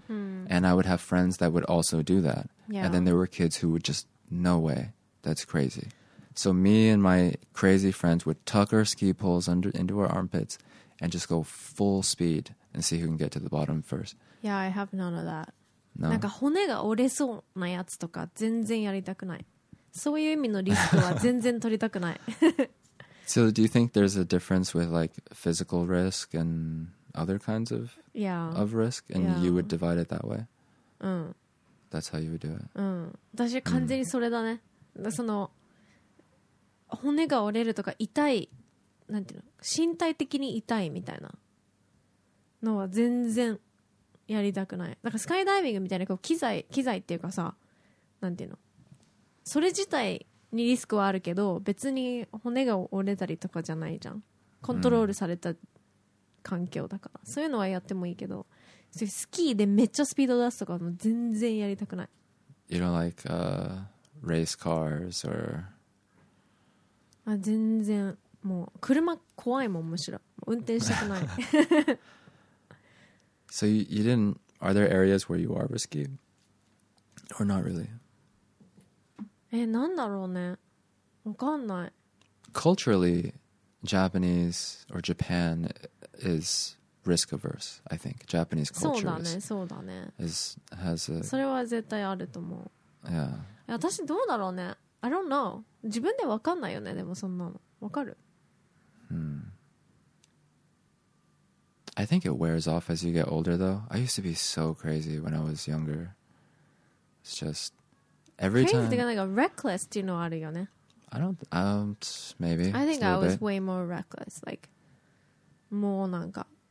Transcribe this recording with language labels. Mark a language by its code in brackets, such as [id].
[en] And I would have friends that would also do that. Yeah. And then there were kids who would just, no way, that's crazy. So me and my crazy friends would tuck our ski poles into our armpits and just go full speed and see who can get to the bottom first. Yeah, I have none of that. No. [ja] なんか骨が折れそうなやつとか全然やりたくない。そういう意味のリスクは全然取りたくない。 [en] So do you think there's a difference with like physical risk and other kinds of, yeah. of risk? And yeah. you would divide it that way? [ja] うん。 [en] That's how you would do it? [ja] うん。私完全にそれだね。その骨が折れるとか痛い、なんていうの、身体的に痛いみたいなのは全然。やりたくない。だからスカイダイビングみたいなこう機材っていうかさ、なんていうの、それ自体にリスクはあるけど、別に骨が折れたりとかじゃないじゃん。コントロールされた環境だから、そういうのはやってもいいけど、それスキーでめっちゃスピード出すとかも全然やりたくない。 [en] You don't like race cars or? [ja] あ、全然もう車怖いもん、むしろ運転したくない。 [en] So you didn't... Are there areas where you are risky? Or not really? [ja] Eh, なんだろうね。わかんない。 [en] Culturally, Japanese or Japan is risk averse, I think. Japanese culture [ja] そうだね、そうだね。 [en] is, has a... [ja] それは絶対あると思う。 [en] Yeah. [ja] 私どうだろうね。 [en] I don't know. [ja] 自分でわかんないよね、でもそんなの。わかる？ [en] I think it wears off as you get older, though. I used to be so crazy when I was younger. It's just every crazy time. [ja] Crazy って言うか、reckless っていうのはあるよね。 [en] I don't. Maybe. I think I was way more reckless. Like, more なんか.